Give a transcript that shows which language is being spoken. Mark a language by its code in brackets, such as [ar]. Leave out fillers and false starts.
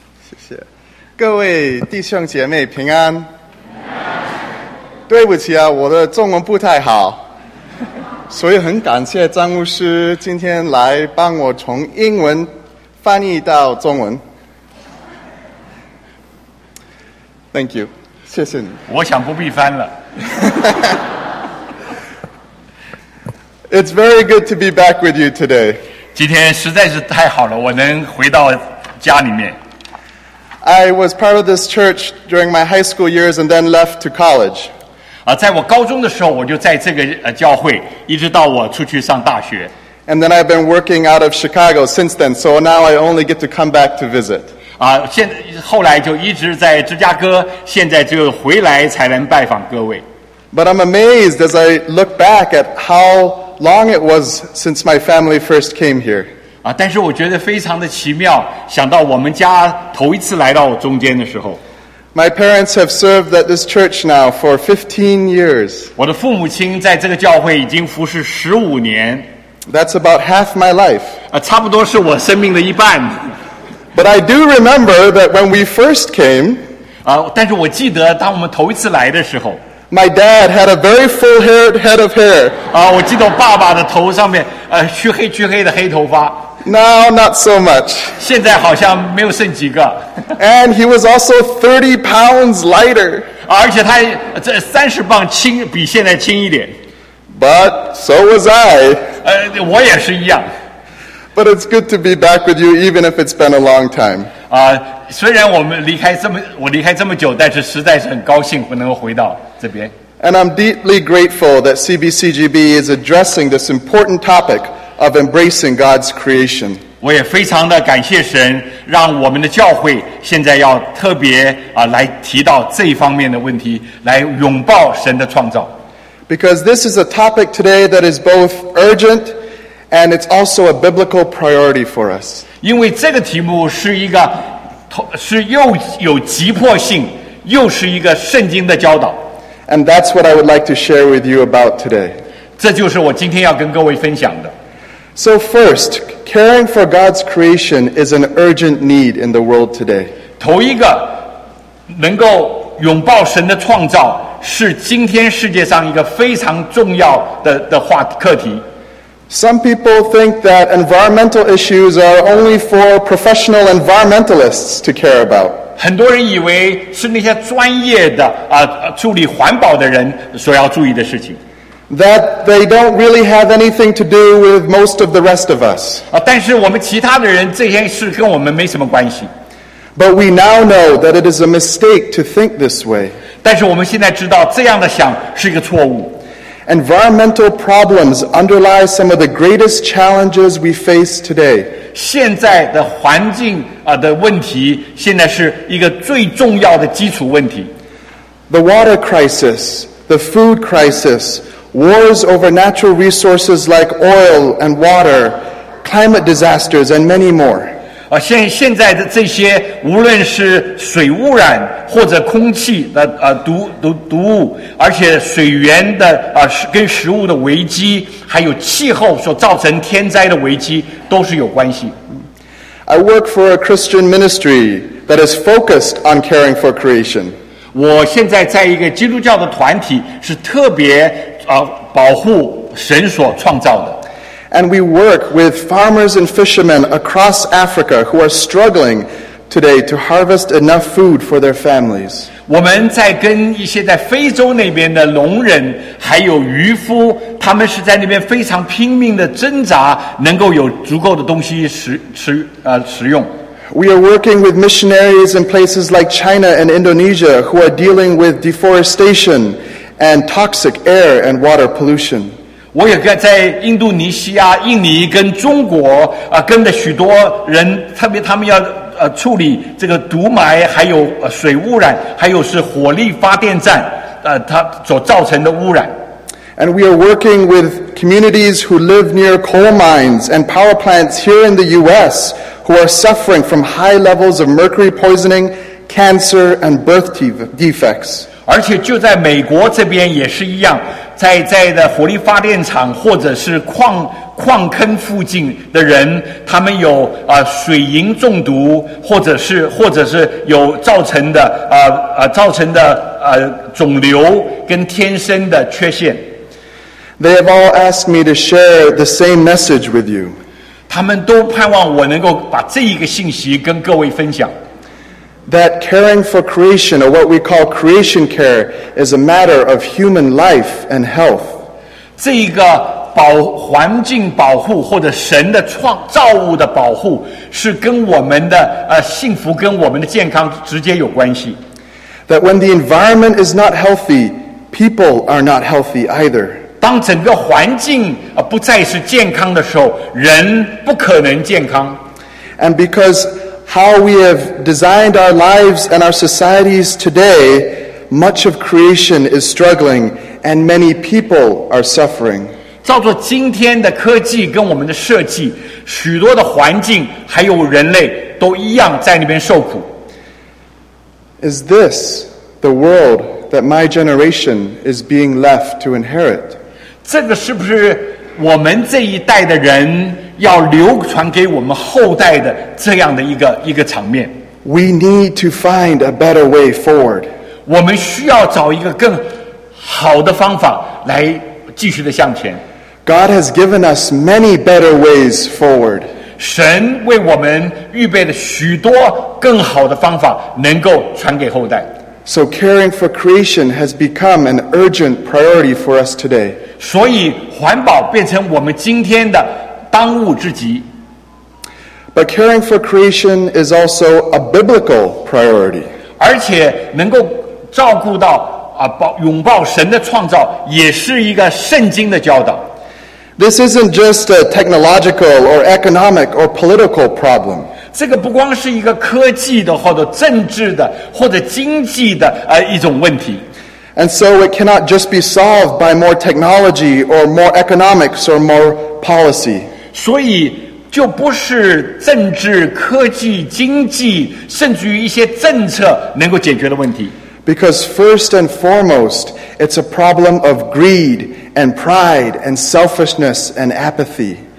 [zh] 谢谢各位弟兄姐妹平安。对不起啊，我的中文不太好，所以很感谢张牧师今天来帮我从英文翻译到中文。 [en] Thank you， [zh] 谢谢你。我想不必翻了。 [en] It's very good to be back with you today。 [zh] 今天实在是太好了，我能回到家里面。 [en] I was part of this church during my high school years and then left to college。 [zh] 在我高中的时候我就在这个教会，一直到我出去上大学。 [en] And then I've been working out of Chicago since then, so now I only get to come back to visit. [zh] 后来就一直在芝加哥，现在就回来才能拜访各位。 [en] But I'm amazed as I look back at how long it was since my family first came here. [zh] 但是我觉得非常的奇妙，想到我们家头一次来到中间的时候。 [en] My parents have served at this church now for 15 years. [zh] 我的父母亲在这个教会已经服侍15年。 [en] That's about half my life. [zh] 差不多是我生命的一半。 [en] But I do remember that when we first came, [zh] 但是我记得当我们头一次来的时候， [en] my dad had a very full-haired head of hair. [zh] 我记得我爸爸的头上面，黢黑黢黑的黑头发。 [en] Now, not so much. [zh] 现在好像没有剩几个。 [en] And he was also 30 pounds lighter. [zh] 而且他这30磅轻，比现在轻一点。 [en] But so was I. [zh] 我也是一样。 [en] But it's good to be back with you, even if it's been a long time. [zh] 虽然我离开这么久，但是实在是很高兴能够回到这边。 [en] And I'm deeply grateful that CBCGB is addressing this important topic of embracing God's creation. [zh] 我也非常的感谢神，让我们的教会现在要特别来提到这一方面的问题，来拥抱神的创造。 [en] Because this is a topic today that is both urgent and it's also a biblical priority for us. [zh] 因为这个题目是又有急迫性，又是一个圣经的教导。 [en] And that's what I would like to share with you about today. [zh] 这就是我今天要跟各位分享的。 [en] So first, caring for God's creation is an urgent need in the world today. [zh] 头一个，能够拥抱神的创造是今天世界上一个非常重要的课题。 [en] Some people think that environmental issues are only for professional environmentalists to care about. [zh] 很多人以为是那些专业的处理环保的人所要注意的事情。 [en] That they don't really have anything to do with most of the rest of us. [zh] 但是我们其他的人这件事跟我们没什么关系。 [en] But we now know that it is a mistake to think this way. [zh] 但是我们现在知道这样的想是一个错误。 [en] Environmental problems underlie some of the greatest challenges we face today. [zh] 现在的环境的问题现在是一个最重要的基础问题。 [en] The water crisis, the food crisis,Wars over natural resources like oil and water, climate disasters, and many more. [zh] 现在的这些，无论是水污染或者空气的毒物，而且水源的跟食物的危机，还有气候所造成天灾的危机，都是有关系。 [en] I work for a Christian ministry that is focused on caring for creation. [zh] 我现在在一个基督教的团体，是特别。保护神所创造的。 [en] And we work with farmers and fishermen across Africa who are struggling today to harvest enough food for their families. [zh] 我们在跟一些在非洲那边的农人还有渔夫，他们是在那边非常拼命的挣扎，能够有足够的东西食用。 [en] We are working with missionaries in places like China and Indonesia who are dealing with deforestation. And toxic air and water pollution. [zh] 我也在印度尼西亚、印尼跟中国跟着许多人，特别他们要处理这个毒霾，还有水污染，还有是火力发电站所造成的污染。 [en] And we are working with communities who live near coal mines and power plants here in the U.S. who are suffering from high levels of mercury poisoning, cancer, and birth defects. [zh] 而且就在美国这边也是一样，在的火力发电厂或者是矿坑附近的人，他们有水银中毒，或者是有造成的肿瘤跟天生的缺陷。 [en] They have all asked me to share the same message with you. [zh] 他们都盼望我能够把这一个信息跟各位分享。 [en] That caring for creation, or what we call creation care, is a matter of human life and health. [zh] 这一个保环境保护或者神的创造物的保护是跟我们的幸福跟我们的健康直接有关系。 [en] That when the environment is not healthy, people are not healthy either. [zh] 当整个环境不再是健康的时候，人不可能健康。 [en] And because how we have designed our lives and our societies today, much of creation is struggling, and many people are suffering. [zh] 照着今天的科技跟我们的设计，许多的环境还有人类都一样在那边受苦。 [en] Is this the world that my generation is being left to inherit? [zh] 这个是不是我们这一代的人要流传给我们后代的这样的一个场面。 [en] We need to find a better way forward. [zh] 我们需要找一个更好的方法来继续的向前。 [en] God has given us many better ways forward. [zh] 神为我们预备了许多更好的方法能够传给后代。 [en] So caring for creation has become an urgent priority for us today. [zh] 所以环保变成我们今天的当务之急。 [en] But caring for creation is also a biblical priority. [zh] 而且能够照顾到拥抱神的创造也是一个圣经的教导。 [en] This isn't just a technological or economic or political problem. [zh] 这个不光是一个科技的或者政治的或者经济的一种问题。 [en] And so it cannot just be solved by more technology or more economics or more policy. [zh] 所以就不是政治、科技、经济，甚至于一些政策能够解决的问题。 [en] Because first and foremost, it's a problem of greed and pride and selfishness and apathy.